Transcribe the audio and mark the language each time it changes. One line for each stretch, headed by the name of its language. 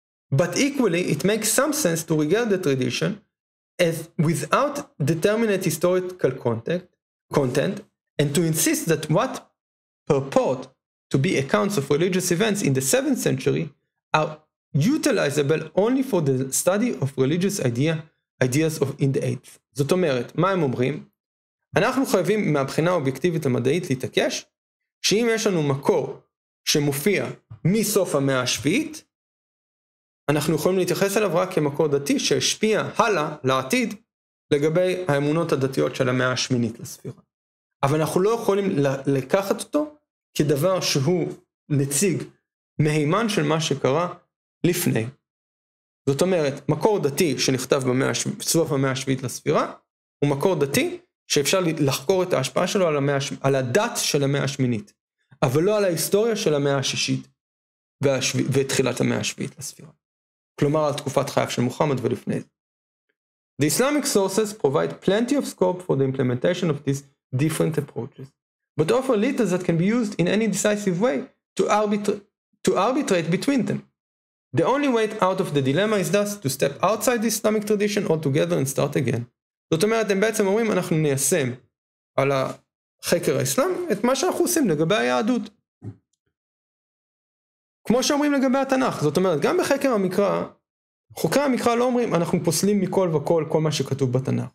English: But equally, it makes some sense to regard the tradition as without determinate historical content and to insist that what purport to be accounts of religious events in the 7th century are utilizable only for the study of religious ideas of in the 8th.
Hebrew: זאת אומרת, מה הם אומרים? אנחנו חייבים מהבחינה האובייקטיבית המדעית להתעקש שאם יש לנו מקור שמופיע מסוף המאה השביעית, אנחנו יכולים להתייחס אליו רק כמקור דתי שהשפיע הלאה לעתיד לגבי האמונות הדתיות של המאה השמינית לספירה. אבל אנחנו לא יכולים לקחת אותו כדבר שהוא נציג מהימן של מה שקרה לפני. זאת אומרת, מקור דתי שנכתב בסוף המאה השביעית לספירה, הוא מקור דתי שאפשר לחקור את ההשפעה שלו על, על הדת של המאה השמינית, אבל לא על ההיסטוריה של המאה השישית ותחילת המאה השביעית לספירה. כלומר, על תקופת חייו של מוחמד ולפני זה.
English: The Islamic sources provide plenty of scope for the implementation of these different approaches, but offer little that can be used in any decisive way to arbitrate between them. The only way out of the dilemma is thus to step outside the Islamic tradition altogether and start again.
Hebrew: זאת אומרת, הם בעצם אומרים, אנחנו ניישם על החקר האסלאם את מה שאנחנו עושים לגבי היהדות. כמו שאומרים לגבי התנך, זאת אומרת, גם בחקר המקרא, חוקרי המקרא לא אומרים, אנחנו פוסלים מכל וכל כל מה שכתוב בתנך.